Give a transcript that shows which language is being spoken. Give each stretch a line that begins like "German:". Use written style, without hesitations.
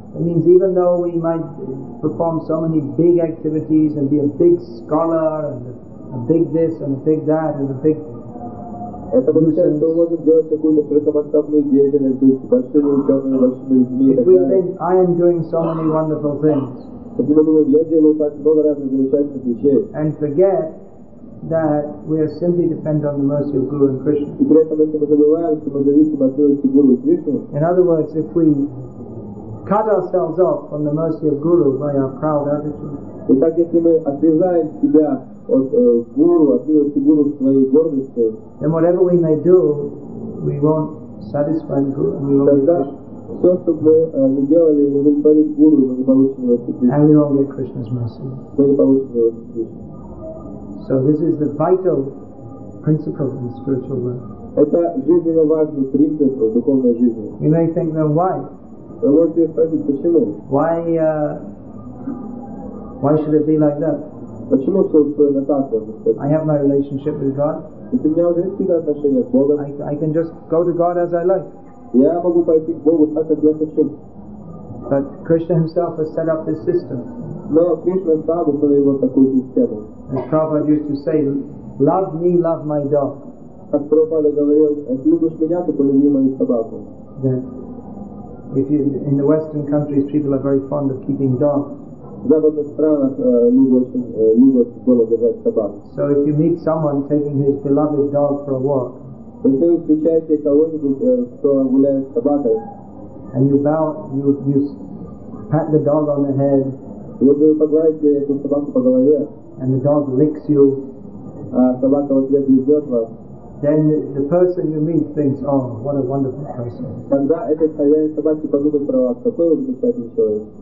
English: It means even though we might perform so many big activities and be a big scholar and a big this and a big that and a big.
Russian: Это означает, что мы можем делать какую-то широкомасштабную деятельность, быть большими учеными, большими людьми.
English: If we think I am doing so many wonderful things.
Russian: Если мы думаем, я делаю так много разных замечательных вещей.
English: And forget that we are simply dependent on the mercy of Guru and Krishna. In other words, if we cut ourselves off from the mercy of Guru by our proud attitude, then whatever we may do, we won't satisfy the Guru, and we won't get Krishna.
Russian: Все, что бы мы делали, мы не парим Гуру, мы не получим его.
English: And we won't get Krishna's mercy.
Russian: Мы не получим его.
English: So this is the vital principle in spiritual life.
Russian: Это жизненно важный принцип в духовной жизни.
English: You may think, then why?
Russian: Вы можете спросить, почему?
English: Why should it be like that?
Russian: Почему все устроено так?
English: I have my relationship with God.
Russian: Ведь у меня уже есть всегда отношения с Богом.
English: I can just go to God as I like.
Russian: Я могу пойти к Богу так, как я хочу.
English: But Krishna himself has set up this system.
Russian: Но Кришна сам установил вот такую систему.
English: As Prabhupada used to say, love me, love my dog.
Russian: Как Прабхупада говорил, любишь меня, то полюби мою собаку.
English: If you, in the Western countries, people are very fond of keeping dogs.
Russian: В западных странах любят было держать собак.
English: So if you meet someone taking his beloved dog for a walk,
Russian: если вы встречаете кого-нибудь, кто гуляет с собакой,
English: and you bow, you pat the dog on the head,
Russian: если вы погладите эту собаку по голове,
English: and the dog licks you,
Russian: а собака в ответ лизет вас,
English: then the person you meet thinks, oh, what a wonderful person.
Russian: Тогда этот хозяин собаки подумает про вас, какой вы замечательный человек.